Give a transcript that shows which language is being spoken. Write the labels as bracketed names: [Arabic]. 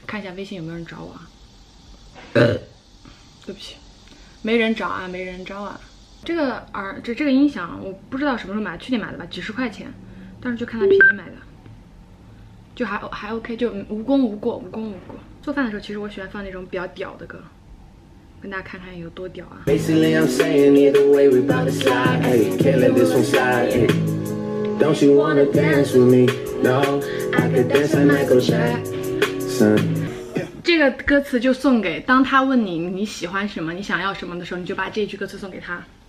[Chinese] 看一下微信有没有人找我啊？对不起，没人找啊，没人招啊。这个音响我不知道什么时候买，去年买的吧，几十块钱，当时就看它便宜买的，就还 OK， 就无功无过，无功无过。做饭的时候其实我喜欢放那种比较屌的歌。跟大家看看有多屌啊。 [English] Basically I'm saying either way we about to slide, hey, can't let this one slide, hey. Don't you wanna dance with me? No, I could dance like Michael Jackson. [Chinese] 这个歌词就送给当他问你你喜欢什么你想要什么的时候，你就把这句歌词送给他。